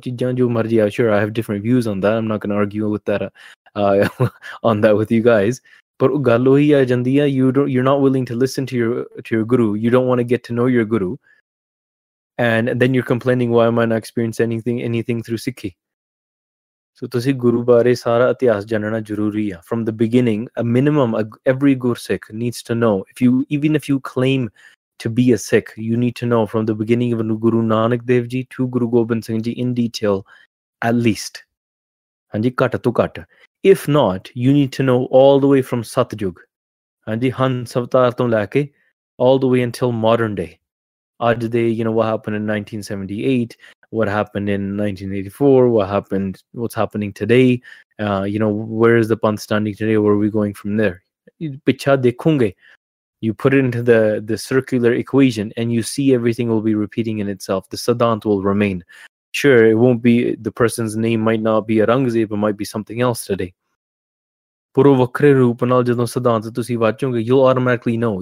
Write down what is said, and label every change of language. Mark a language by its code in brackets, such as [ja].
[en] Sure, I have different views on that. I'm not going to argue with that on that with you guys. But you're not willing to listen to your guru. You don't want to get to know your guru. And then you're complaining, why am I not experiencing anything through Sikhi? [pa] ਸੋ ਤੁਸੀਂ ਗੁਰੂ ਬਾਰੇ ਸਾਰਾ ਇਤਿਹਾਸ ਜਾਣਨਾ ਜ਼ਰੂਰੀ ਆ [en] from the beginning a minimum every Gursikh needs to know if you even if you claim to be a Sikh you need to know from the beginning Guru Nanak Dev ji to Guru Gobind Singh ji in detail at least [pa] ਹਾਂਜੀ ਘੱਟ ਤੋਂ ਘੱਟ [en] if not you need to know all the way from Satyug ਹਾਂਜੀ [pa] ਹੰਸ ਅਵਤਾਰ ਤੋਂ ਲੈ ਕੇ [en] all the way until modern day [pa] ਅੱਜ ਦੇ [en] You know what happened in 1978 what happened in 1984, what happened, what's happening today, you know, where is the panth standing today, where are we going from there? [pa] Picha dekhunge, [en] you put it into the circular equation and you see everything will be repeating in itself. The siddhant will remain. Sure, it won't be, the person's name might not be Aurangzeb, it might be something else today. [pa] Puro vakre roop naal jadon siddhant tusi vachunge, [en] you'll automatically know.